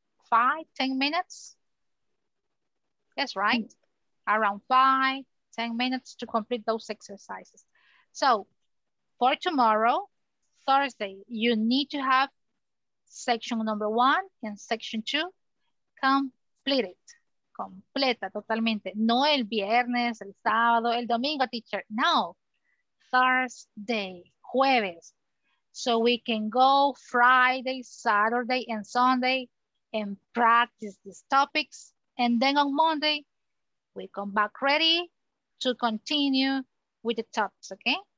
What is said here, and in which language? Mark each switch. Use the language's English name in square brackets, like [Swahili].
[English] 5-10 minutes? That's right. Around 5-10 minutes to complete those exercises. So for tomorrow, Thursday, you need to have section number one and section two completed. [Spanish] Completa totalmente. No el viernes, el sábado, el domingo, teacher. [English] No. Thursday, [Spanish] jueves. [English] So we can go Friday, Saturday, and Sunday and practice these topics. And then on Monday, we come back ready to continue with the topics, okay?